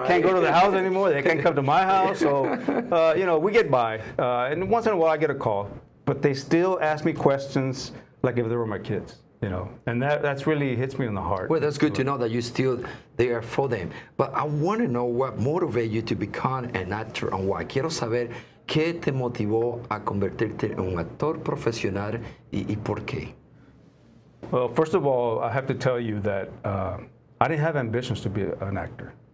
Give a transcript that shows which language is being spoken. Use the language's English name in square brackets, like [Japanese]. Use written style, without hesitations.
[English] I can't go to the house anymore. They can't come to my house. So, you know, we get by. And once in a while I get a call. But they still ask me questions like if they were my kids, you know. And that's really hits me in the heart. Well, that's good to know that you're still there for them. But I want to know what motivated you to become an actor and why. [Spanish] Quiero saber qué te motivó a convertirte en un actor profesional y por qué. [English] Well, first of all, I have to tell you that I didn't have ambitions to be an actor.